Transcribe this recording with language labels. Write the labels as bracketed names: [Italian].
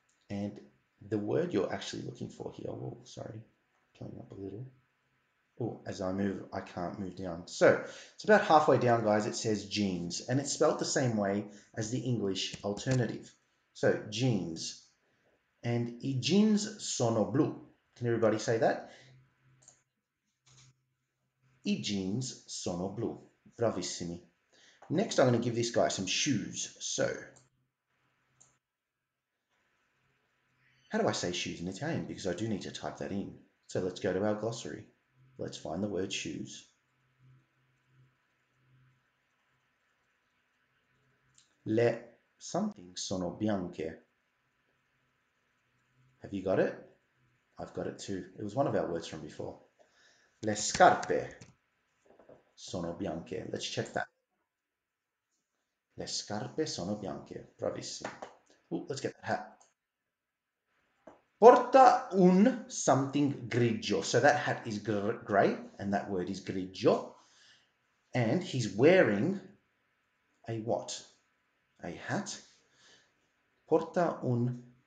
[English] And the word you're actually looking for here, oh, sorry, coming up a little. Oh, as I move, I can't move down. So it's about halfway down, guys. It says jeans, and it's spelled the same way as the English alternative. So jeans, and [Italian] I jeans sono blu. [English] Can everybody say that? [Italian] I jeans sono blu. Bravissimi. [English] Next, I'm going to give this guy some shoes. So how do I say shoes in Italian? Because I do need to type that in. So let's go to our glossary. Let's find the word shoes. [Italian] Le something sono bianche. [English] Have you got it? I've got it too. It was one of our words from before. [Italian] Le scarpe sono bianche. [English] Let's check that. [Italian] Le scarpe sono bianche. Bravissimo. [English] Ooh, let's get that hat. [Italian] Porta un something grigio. [English] So that hat is grey, and that word is grigio. And he's wearing a what? A hat. Porta un...